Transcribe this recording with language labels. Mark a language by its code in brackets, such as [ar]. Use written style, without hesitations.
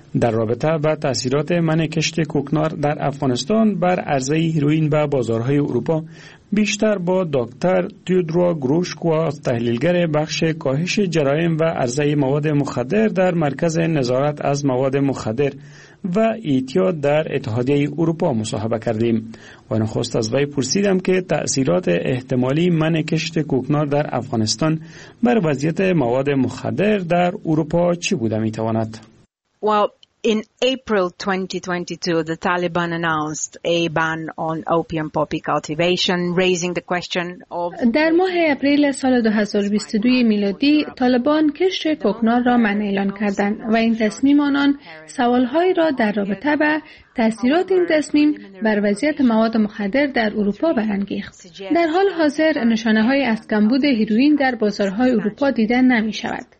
[fa] در رابطه با تأثیرات منع کشت کوکنار در افغانستان بر عرضه هیروئین به بازارهای اروپا، بیشتر با دکتر تیودرا گروشکوا، تحلیلگر بخش کاهش جرایم و عرضه مواد مخدر در مرکز نظارت از مواد مخدر و اعتیاد در اتحادیه اروپا مصاحبه کردیم و نخست از وی پرسیدم که تأثیرات احتمالی منع کشت کوکنار در افغانستان بر وضعیت مواد مخدر در اروپا چی بوده میتواند؟ [en] Well, in April 2022, the Taliban announced a ban on opium poppy cultivation, raising the question of. [fa] در ماه اپریل سال 2022 میلادی، طالبان کشت کوکنار را منع اعلان کردند و این تصمیم آنان سوال‌های را در رابطه با تأثیرات این تصمیم بر وضعیت مواد مخدر در اروپا برانگیخت. در حال حاضر نشانه‌های از کمبود هیروئین در بازارهای اروپا دیدن نمی‌شود.